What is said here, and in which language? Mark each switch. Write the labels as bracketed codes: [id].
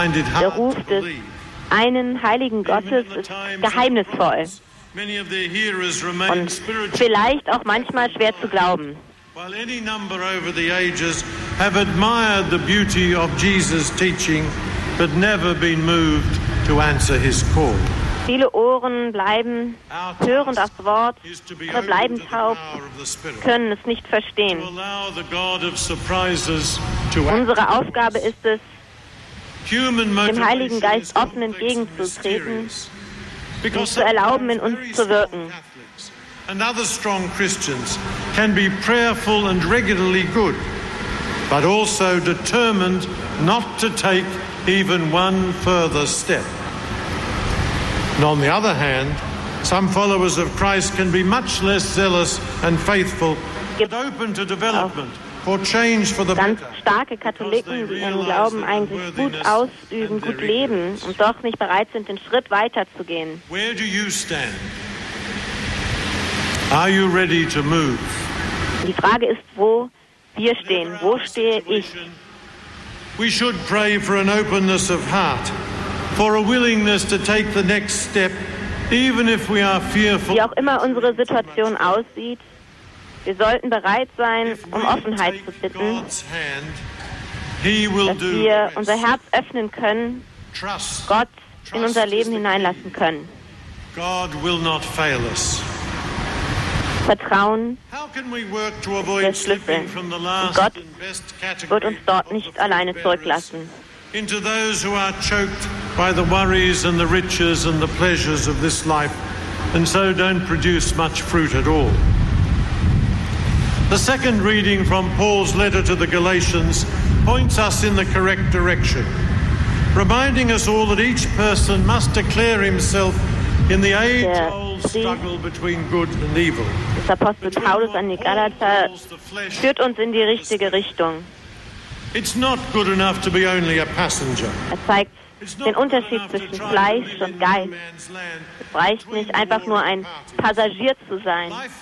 [de] Der Ruf des einen heiligen Gottes ist geheimnisvoll und vielleicht auch manchmal schwer zu glauben. [en] While any number over the ages have admired the beauty of Jesus' teaching, but never been moved to answer his call. [de] Viele Ohren bleiben hören das Wort, aber bleiben taub, können es nicht verstehen. Unsere Aufgabe ist es, dem Heiligen Geist offen entgegenzutreten, ihn zu erlauben, in uns zu wirken. [en] And other strong Christians can be prayerful and regularly good, but also determined not to take even one further step. And on the other hand, some followers of Christ can be much less zealous and faithful, but open to development for change for the better. [de] Ganz starke Katholiken, die ihren Glauben eigentlich gut ausüben, gut leben und doch nicht bereit sind, den Schritt weiterzugehen. [en] Where do you stand? Are you ready to move? [de] Die Frage ist, wo wir stehen. Wo stehe ich? [en] We should pray for an openness of heart, for a willingness to take the next step, even if we are fearful. [de] Wie auch immer unsere Situation aussieht, wir sollten bereit sein, um Offenheit zu bitten, dass wir unser Herz öffnen können, Gott in unser Leben hineinlassen können. [en] God will not fail us. [de] Vertrauen ist der Schlüssel. Und Gott wird uns dort nicht alleine zurücklassen. [en] Into those who are choked by the worries and the riches and the pleasures of this life, and so don't produce much fruit at all. The second reading from Paul's letter to the Galatians points us in the correct direction, reminding us all that each person must declare himself in the age-old struggle between good and evil. [de] Der Apostel Paulus an die Galater führt uns in die richtige Richtung. [en] It's not good enough to be only a passenger. [de] Er zeigt den Unterschied zwischen Fleisch und Geist. Es reicht nicht, einfach nur ein Passagier zu sein.